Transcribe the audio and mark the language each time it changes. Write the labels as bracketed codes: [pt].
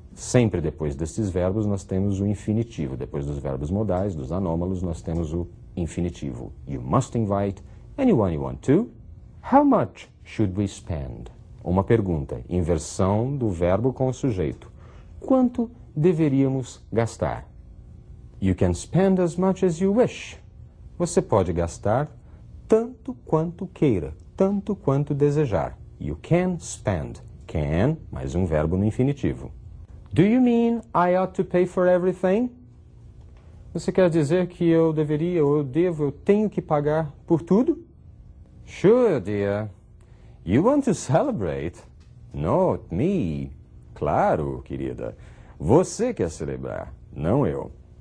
[pt] Sempre depois destes verbos nós temos o infinitivo. Depois dos verbos modais, dos anômalos, nós temos o infinitivo. [en] You must invite anyone you want to. How much should we spend? [pt] Uma pergunta, inversão do verbo com o sujeito. Quanto deveríamos gastar? [en] You can spend as much as you wish. [pt] Você pode gastar tanto quanto queira, tanto quanto desejar. [en] You can spend. [pt] Can, mais um verbo no infinitivo. [en] Do you mean I ought to pay for everything? [pt] Você quer dizer que eu deveria, ou eu devo, eu tenho que pagar por tudo? [en] Sure, dear. You want to celebrate? Not me. [pt] Claro, querida. Você quer celebrar, não eu.